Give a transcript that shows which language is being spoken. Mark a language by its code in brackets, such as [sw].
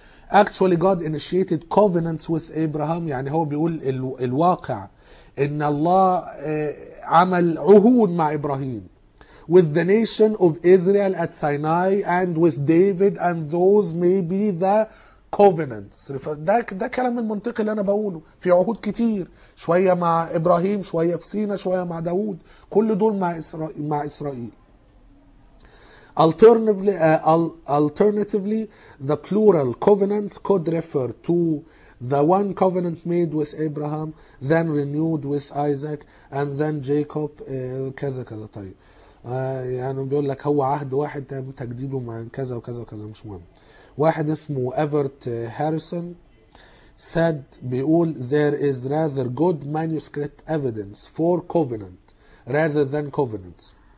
[en] Actually God initiated covenants with Abraham. [ar] يعني هو بيقول الواقع ان الله عمل عهود مع ابراهيم. [en] With the nation of Israel at Sinai and with David and those may be the covenants. [ar] ده كلام المنطقي اللي انا بقوله. في عهود كتير، شوية مع ابراهيم، شوية في سينا، شوية مع داود، كل دول مع اسرائيل. [en] Alternatively, the plural covenants could refer to the one covenant made with Abraham, then renewed with Isaac, and then Jacob. [ar] كذا كذا طيب. يعني بيقول لك هو عهد واحد تجديده مع كذا وكذا وكذا، مش مهم. واحد اسمه [en] Everett Harrison said بيقول there is rather good manuscript evidence for covenant rather than covenants.